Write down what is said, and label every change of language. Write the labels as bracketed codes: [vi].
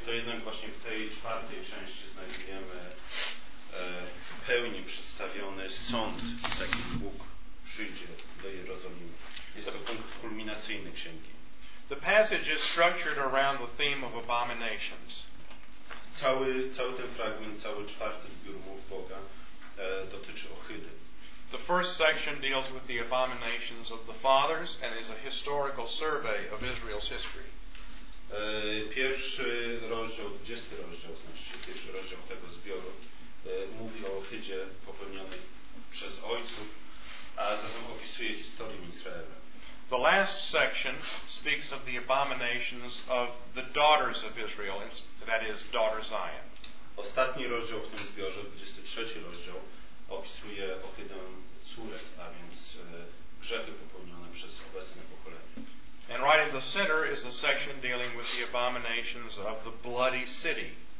[pl] To jednak właśnie w tej czwartej części znajdujemy w pełni przedstawiony sąd, z jakim Bóg przyjdzie do Jerozolimy. Jest to punkt kulminacyjny księgi. [en] The passage is structured around the theme of abominations. [pl] Cały ten fragment, cały czwarty zbiór mów Boga dotyczy ohydy. [en] The first section deals with the abominations of the fathers and is a historical survey of Israel's history. [pl] Pierwszy rozdział, 20 rozdział, znaczy pierwszy rozdział tego zbioru mówi o ohydzie popełnionej przez ojców, a zatem opisuje historię Izraela. [en] The last section speaks of the abominations of the daughters of Israel, that is, daughter Zion. [pl] Ostatni rozdział w tym zbiorze, 23 rozdział, opisuje ohydę córek, a więc grzechy popełnione przez obecne pokolenie. [en] And right in the center is the section dealing with the abominations of the bloody city.